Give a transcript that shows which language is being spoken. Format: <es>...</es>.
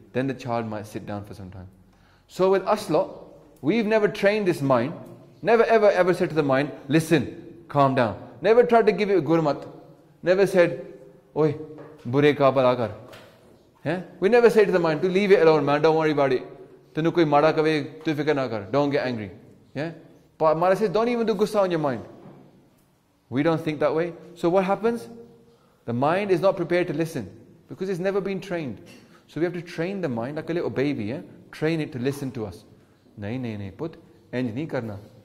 <en>Then the child might sit down for some time. So with us lot, we've never trained this mind, never ever said to the mind, "Listen, calm down." Never tried to give it a gurmat. Never said,</en> <pa>"Oi, bure ka par aakar."</pa> <en>Yeah? We never say to the mind, "To leave it alone, man, don't worry about it.</en> <pa>ਤੈਨੂੰ ਕੋਈ ਮਾੜਾ ਕਵੇ, ਤੂੰ ਫ਼ਿਕਰ ਨਾ ਕਰ,</pa> <en>don't get angry." Yeah? But Mara says, "Don't even do gussa on your mind." We don't think that way. So what happens? The mind is not prepared to listen because it's never been trained. So we have to train the mind like a little baby, yeah? Train it to listen to us.</en> <pa>ਨਹੀਂ, ਪੁੱਤ, ਐਂਜ ਨਹੀਂ ਕਰਨਾ.</pa>